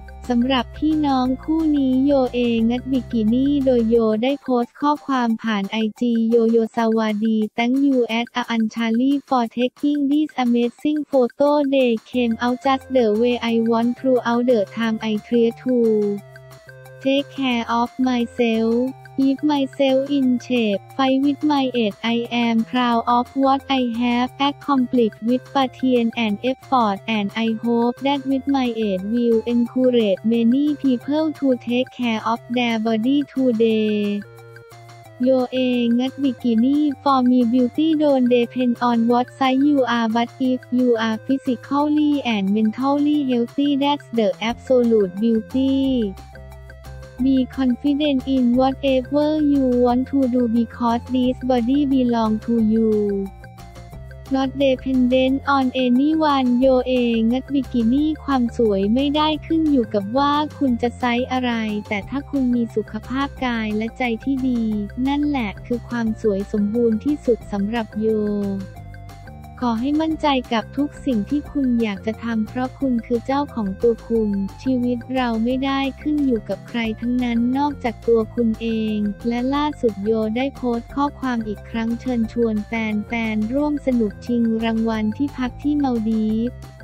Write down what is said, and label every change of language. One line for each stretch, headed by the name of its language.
Thai: สำหรับพี่น้องคู่นี้โยเองัดบิกินี่โดยโยได้โพสต์ข้อความผ่านไอจีโยโยสวัสดี
English: Thank you at Anchali for taking this amazing photo they came out just the way I want throughout the time I try to take care of myselfKeep myself in shape, fight with my aid. I am proud of what I have accomplished with passion and effort, and I hope that with my aid will encourage many people to take care of their body today.
Thai: โยเองัดบิกินี่
English: for me beauty don't depend on what size you are but if you are physically and mentally healthy that's the absolute beautyBe confident in whatever you want to do because this body belongs to you. Not dependent on anyone.
Thai: Yo เองงัดบิกินี่ความสวยไม่ได้ขึ้นอยู่กับว่าคุณจะไซส์อะไรแต่ถ้าคุณมีสุขภาพกายและใจที่ดีนั่นแหละคือความสวยสมบูรณ์ที่สุดสำหรับโย ขอให้มั่นใจกับทุกสิ่งที่คุณอยากจะทำเพราะคุณคือเจ้าของตัวคุณชีวิตเราไม่ได้ขึ้นอยู่กับใครทั้งนั้นนอกจากตัวคุณเองและล่าสุดโยได้โพสต์ข้อความอีกครั้งเชิญชวนแฟนๆร่วมสนุกชิงรางวัลที่พักที่มัลดีฟส์